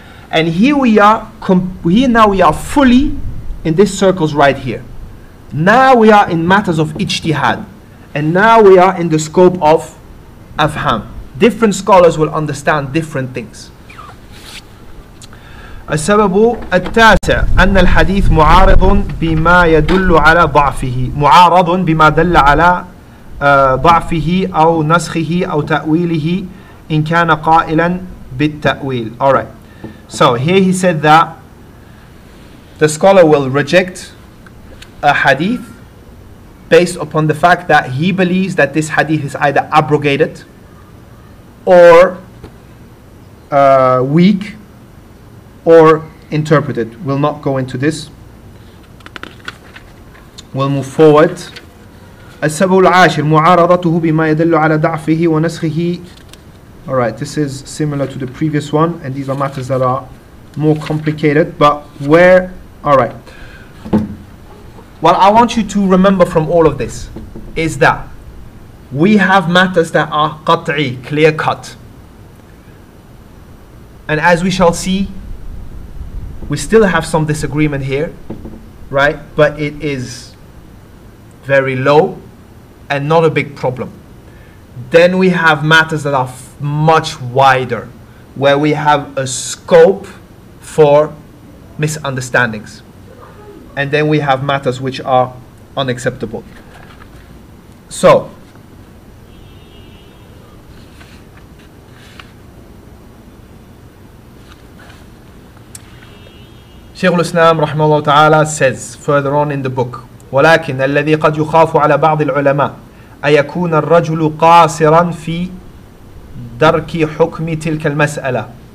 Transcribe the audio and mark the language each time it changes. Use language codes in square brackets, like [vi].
[en] And here we are, here now we are fully in this circles right here. Now we are in matters of ijtihad, and now we are in the scope of afham. Different scholars will understand different things. [ar] السبب التاسع أن الحديث معارض بما يدل على ضعفه معارض بما دل على ضعفه أو نسخه أو تأويله إن كان قائلا بالتأويل. [en] Alright, so here he said that the scholar will reject a hadith based upon the fact that he believes that this hadith is either abrogated or weak, or interpreted. We'll not go into this. We'll move forward. [ar] السبب العاشر معارضته بما يدل على ضعفه ونسخه. [en] All right, this is similar to the previous one, and these are matters that are more complicated. But where? All right. What I want you to remember from all of this is that we have matters that are قطعي, clear cut. And as we shall see, we still have some disagreement here, right? But it is very low and not a big problem. Then we have matters that are much wider, where we have a scope for misunderstandings. And then we have matters which are unacceptable. So, Sheikh al-Islam rahimahullah ta'ala says further on in the book, [ar] ولكن الذي قد يخاف على بعض العلماء أيكون الرجل قاصرا في درك حكم تلك المسألة